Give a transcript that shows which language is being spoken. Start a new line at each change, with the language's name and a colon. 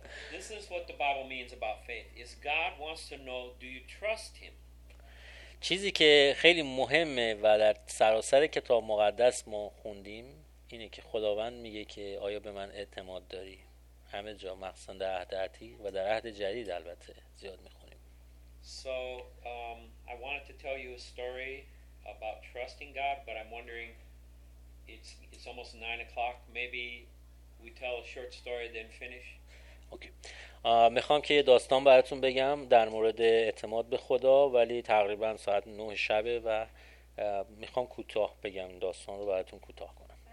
English: This is what the Bible means about faith. Is God wants to know do you trust him?
Persian: چیزی که خیلی مهمه و در سراسر کتاب مقدس ما خوندیم اینه که خداوند میگه که آیا به من اعتماد داری؟ همه جا مخصوصا در عهد عتیق و در عهد جدید البته زیاد میخونیم.
English: So I wanted to tell you a story about trusting God, but I'm wondering it's almost 9 o'clock. Maybe we tell a short story then finish. Okay.
Persian: میخوام که یه داستان براتون بگم در مورد اعتماد به خدا، ولی تقریبا ساعت 9 شبه و میخوام کوتاه بگم داستان رو براتون کوتاه کنم.